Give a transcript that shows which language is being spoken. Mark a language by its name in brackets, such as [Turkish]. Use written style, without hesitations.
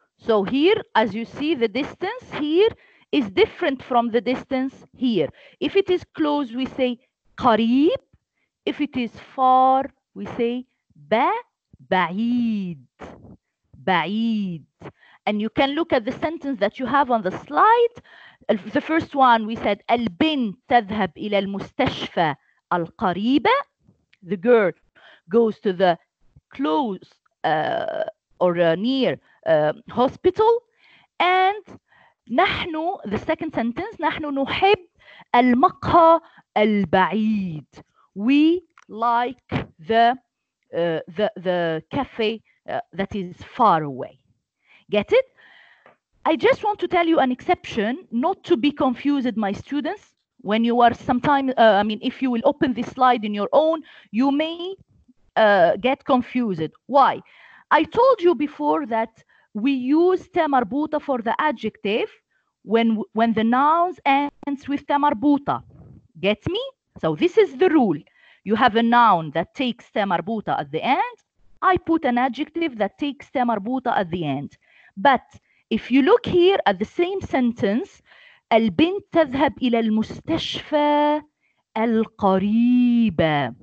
[English] So here, as you see, the distance here is different from the distance here. If it is close, we say قريب. If it is far, we say بعيد. بعيد. And you can look at the sentence that you have on the slide. The first one we said, [Arabic] البنت تذهب إلى المستشفى القريبة. [English] The girl goes to the close or near hospital. [Arabic] And نحن, [English] the second sentence, [Arabic] نحن نحب المقهى البعيد. [English] We like the cafe that is far away. Get it? I just want to tell you an exception, not to be confused, my students. When you are sometimes, if you will open this slide in your own, you may get confused. Why? I told you before that we use ta marbuta for the adjective when the noun ends with ta marbuta. Get me? So this is the rule. You have a noun that takes ta marbuta at the end. I put an adjective that takes ta marbuta at the end. But if you look here at the same sentence, [Arabic] البنت تذهب إلى المستشفى القريبة.